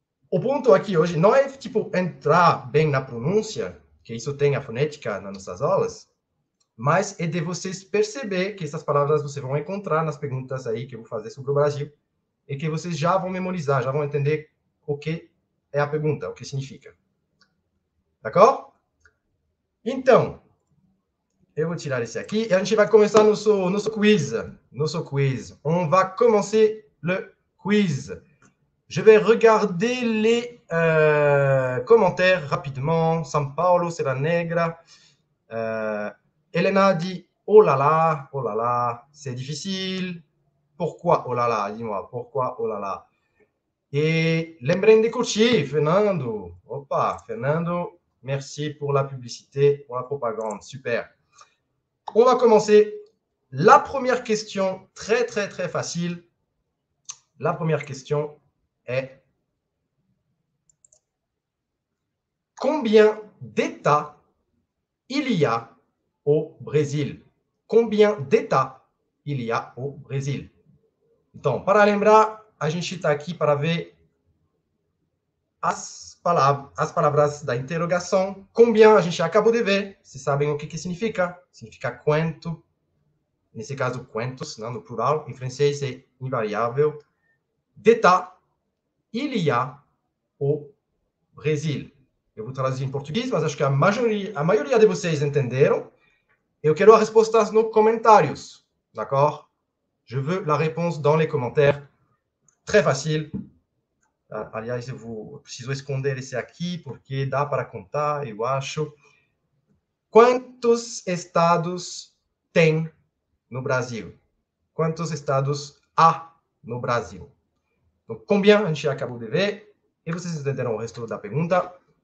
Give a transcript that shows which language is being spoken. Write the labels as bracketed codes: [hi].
[pt] O ponto aqui hoje não é, tipo, entrar bem na pronúncia, que isso tem a fonética nas nossas aulas, mas é de vocês perceber que essas palavras vocês vão encontrar nas perguntas aí que eu vou fazer sobre o Brasil e que vocês já vão memorizar, já vão entender o que é a pergunta, o que significa. [fr] D'accord? [pt] Então, eu vou tirar esse aqui e a gente vai começar nosso quiz. Nosso quiz. [fr] On va commencer le quiz. Je vais regarder les commentaires rapidement. São Paulo, Serra Negra. Helena dit oh là là, c'est difficile. Pourquoi oh là là, dis-moi, pourquoi oh là là. Et [pt] lembrem de curtir, [fr] Fernando. Opa, Fernando, merci pour la publicité, pour la propagande, super. On va commencer la première question, très très très facile. La première question est combien d'États il y a au Brésil? Combien d'États il y a au Brésil? [pt] Então, para lembrar, a gente está aqui para ver as palavras da interrogação. Combien, a gente acabou de ver. Vocês sabem o que, que significa? Significa quanto. Nesse caso, quantos, não, no plural. Em francês, é invariável. [fr] D'état, il y a au Brésil. [pt] Eu vou traduzir em português, mas acho que a maioria de vocês entenderam. Eu quero as respostas nos comentários. [fr] D'accord? Je veux la réponse dans les commentaires. Très facile. [pt] Aliás, eu preciso esconder esse aqui, porque dá para contar, eu acho. Quantos estados tem no Brasil? Quantos estados há no Brasil? Então, combien, a gente acabou de ver, e vocês entenderam o resto da pergunta.